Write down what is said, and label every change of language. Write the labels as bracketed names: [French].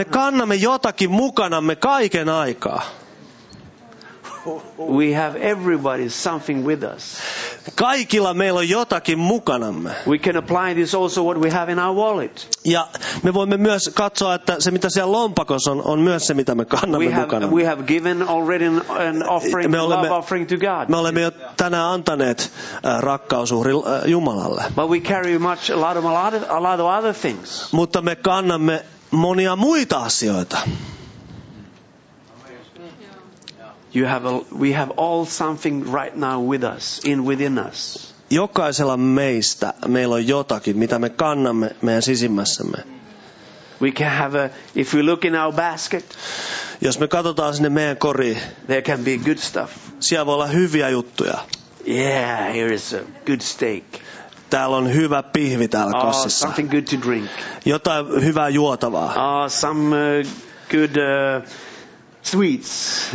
[Finnish] Me kannamme jotakin mukanamme kaiken aikaa. [English] We have everybody something with us. [Finnish] Kaikilla meillä on jotakin mukanamme. [English] We can apply this also what we have in our wallet. [Finnish] Ja me voimme myös katsoa, että se mitä siellä lompakossa on, on myös se mitä me kannamme mukana. [English] We have given already an offering, love offering to God. [Finnish] Me olemme jo tänään antaneet rakkausuhri Jumalalle. [English] But we carry much a lot of other things. [Finnish] Mutta me kannamme monia muita asioita. [English] You have we have all something right now with us in within us. [Finnish] Jokaisella meistä meillä on jotakin mitä me kannamme meidän sisimmässämme. [English] We can have if we look in our basket. [Finnish] Jos me katsotaan sinne meidän koriin. [English] There can be good stuff. [Finnish] Siellä voi olla hyviä juttuja. [English] Yeah, here is a good steak. [Finnish] Täällä on hyvä pihvi täällä kassissa. [English] Oh, something good to drink. [Finnish] Jotain hyvää juotavaa. [English] Oh, some good sweets.